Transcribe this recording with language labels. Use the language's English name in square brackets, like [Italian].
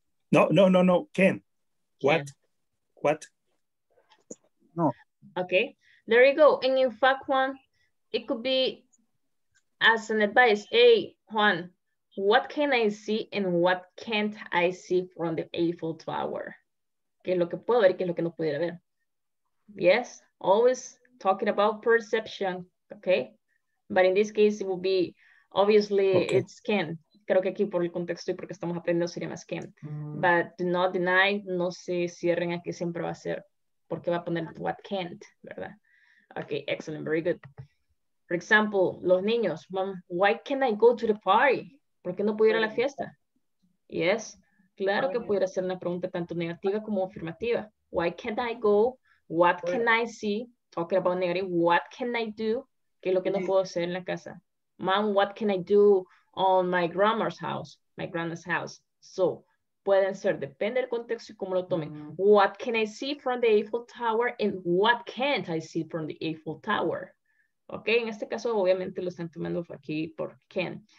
[English] No. Can. What? What? No. Okay. There you go. And in fact, Juan, it could be as an advice. Hey, Juan, what can I see and what can't I see from the Eiffel Tower? [Spanish] ¿Qué es lo que puedo ver y qué es lo que no pudiera ver? [English] Yes. Always talking about perception. Okay. But in this case, it will be, obviously, okay. It's can. [Spanish] Creo que aquí por el contexto y porque estamos aprendiendo sería más can. Mm. [English] But do not deny, [Spanish] no se cierren a que siempre va a ser, porque va a poner what can't, ¿verdad? [English] Okay, excellent, very good. For example, [Spanish] los niños, [English] mom, why can't I go to the party? [Spanish] ¿Por qué no puedo ir a la fiesta? Yes, claro que pudiera ser una pregunta tanto negativa como afirmativa. [English] Why can't I go? What can I see? Talking about negative, what can I do? [Spanish] ¿Qué es lo que no puedo hacer en la casa? [English] Mom, what can I do on my grandma's house? My grandma's house. [Spanish] So, pueden ser, depende del contexto y cómo lo tomen. Mm-hmm. [English] What can I see from the Eiffel Tower? And what can't I see from the Eiffel Tower? [Spanish] Okay, en este caso, obviamente lo están tomando aquí por can.